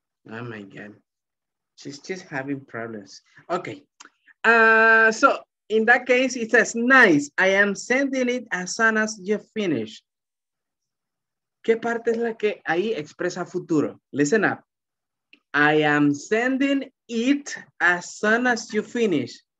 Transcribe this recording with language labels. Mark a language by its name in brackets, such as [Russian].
[English] Oh my God. She's just having problems. Okay. So in that case, it says, nice. I am sending it as soon as you finish. [Spanish] ¿Qué parte es la que ahí expresa futuro? [English] Listen up. I am sending it as soon as you finish.